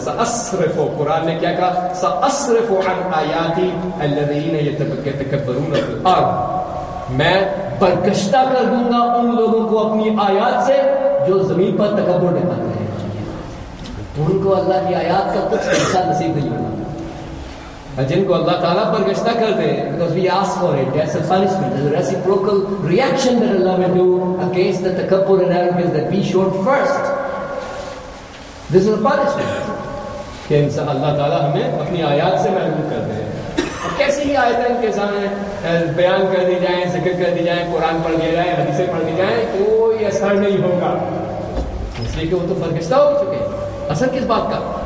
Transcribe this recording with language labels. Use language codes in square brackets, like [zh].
[ar] سأصرف [ur] قرآن نے کیا کہا [ar] سأصرف عن آیاتی الذین یتکبرون فی الارض. [ur] میں برگشتہ کر دوں گا ان لوگوں کو اپنی آیات سے جو زمین پر تکبر دکھاتے ہیں. ان کو اللہ کی آیات کا کچھ حصہ نصیب نہیں ہوگا. جن کو اللہ تعالیٰ برگشتہ کر دے [en] because we ask for it as a punishment as a reciprocal reaction that Allah will do against the takabbur and arrogance that we showed first. This is a punishment. [ur] کہ ان سے اللہ تعالیٰ ہمیں اپنی آیات سے محروم کر دے. اور کیسی ہی آیتیں کے سامنے بیان کر دی جائیں ذکر کر دی جائیں قرآن پڑھ دی جائیں حدیثیں پڑھ دی جائیں کوئی اثر نہیں ہوگا. اس لیے کہ وہ تو برگشتہ ہو چکے. اثر کس بات کا؟